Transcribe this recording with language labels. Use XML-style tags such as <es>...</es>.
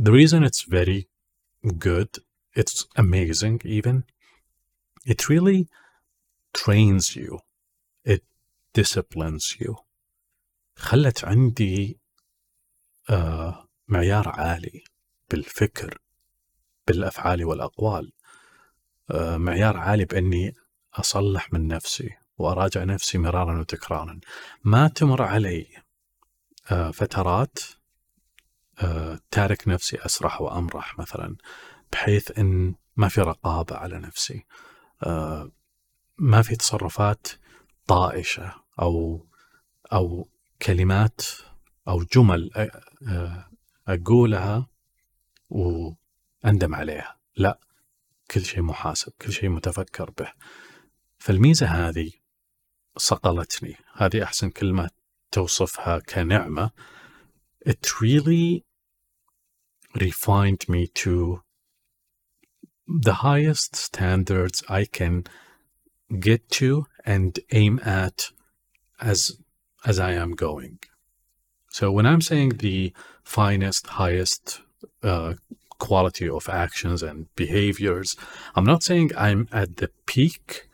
<en>The reason it's very good, it's amazing even, it really trains you, it disciplines you.</en> <ar>خلت عندي معيار عالي بالفكر، بالأفعال والأقوال، معيار عالي بأني أصلح من نفسي وأراجع نفسي مرارا وتكرارا. ما تمر علي فترات تارك نفسي أسرح وأمرح مثلا، بحيث أن ما في رقابة على نفسي، ما في تصرفات طائشة أو كلمات أو جمل أقولها وأندم عليها، لا، كل شيء محاسب، كل شيء متفكر به. فالميزة هذه صقلتني، هذه أحسن كلمة توصفها كنعمة.</ar> <en>It really refined me to the highest standards I can get to and aim at as I am going. So when I'm saying the finest, highest quality of actions and behaviors, I'm not saying I'm at the peak.</en>